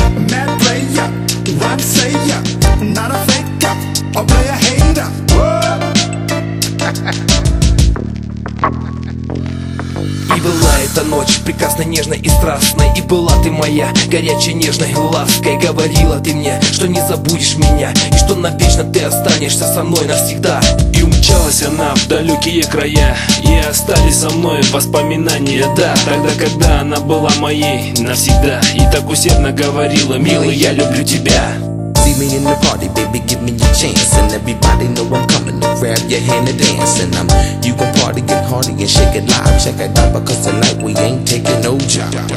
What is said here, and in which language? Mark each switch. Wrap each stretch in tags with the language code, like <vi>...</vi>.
<en>Mad player, rhyme slayer. Not a faker, a player hater.</en> <ru>И была эта ночь прекрасной, нежной и страстной. И была ты моя горячей, нежной лаской. Говорила ты мне, что не забудешь меня, и что навечно ты останешься со мной навсегда. И умчалась она в далекие края, и остались со мной воспоминания. Да, тогда, когда она была моей навсегда, и так усердно говорила: милый, я люблю тебя.</ru> <en>See me in the party, baby, give me your chance. And everybody know I'm coming to grab your hand and dance. And I'm, you gon' party, get hardy and shake it live. Check it out, because tonight we ain't taking no job.</en>